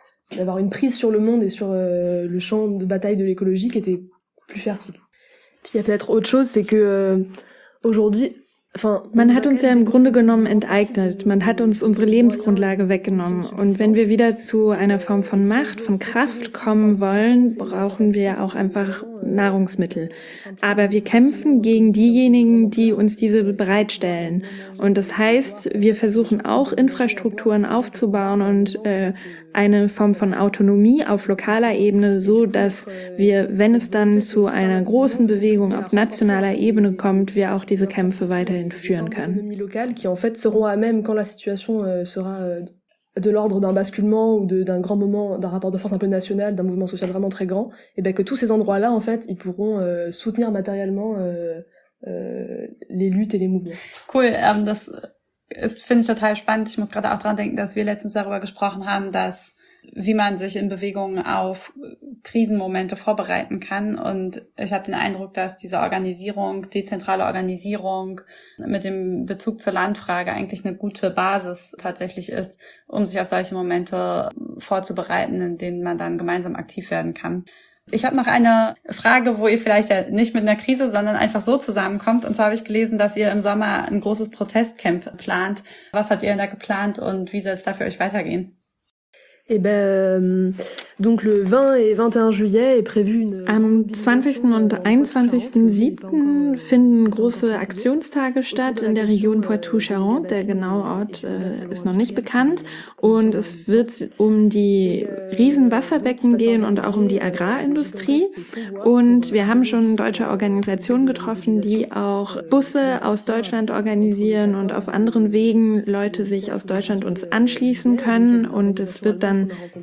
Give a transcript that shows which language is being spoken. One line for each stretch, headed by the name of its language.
French: D'avoir une prise sur le monde et sur le champ de bataille de l'écologie qui était plus fertile. Puis il y a peut-être autre chose, c'est que aujourd'hui.
German: Man hat uns ja im Grunde genommen enteignet. Man hat uns unsere Lebensgrundlage weggenommen. Und wenn wir wieder zu einer Form von Macht, von Kraft kommen wollen, brauchen wir auch einfach Nahrungsmittel. Aber wir kämpfen gegen diejenigen, die uns diese bereitstellen. Und das heißt, wir versuchen auch Infrastrukturen aufzubauen und eine Form von Autonomie auf lokaler Ebene, so dass wir, wenn es dann zu einer großen Bewegung auf nationaler Ebene kommt, wir auch diese Kämpfe weiterhin führen können.
French: Autonomie locale, qui en fait seront à même quand la situation sera de l'ordre d'un basculement ou d'un grand moment, d'un rapport de force un peu national, d'un mouvement social vraiment très grand, et bien que tous ces endroits-là, en fait, ils pourront soutenir matériellement les luttes et les mouvements.
German: Cool, das ist, finde ich, total spannend. Ich muss gerade auch dran denken, dass wir letztens darüber gesprochen haben, dass wie man sich in Bewegungen auf Krisenmomente vorbereiten kann. Und ich habe den Eindruck, dass diese Organisierung, dezentrale Organisierung mit dem Bezug zur Landfrage eigentlich eine gute Basis tatsächlich ist, um sich auf solche Momente vorzubereiten, in denen man dann gemeinsam aktiv werden kann. Ich habe noch eine Frage, wo ihr vielleicht ja nicht mit einer Krise, sondern einfach so zusammenkommt. Und zwar habe ich gelesen, dass ihr im Sommer ein großes Protestcamp plant. Was habt ihr denn da geplant und wie soll es da für euch weitergehen?
French: Donc le 20 et 21 juillet est prévu une.
German: Am 20. und 21.07. finden große Aktionstage statt in der Region Poitou-Charentes. Der genaue Ort ist noch nicht bekannt. Und es wird um die Riesenwasserbecken gehen und auch um die Agrarindustrie. Und wir haben schon deutsche Organisationen getroffen, die auch Busse aus Deutschland organisieren und auf anderen Wegen Leute sich aus Deutschland uns anschließen können. Und es wird dann kann.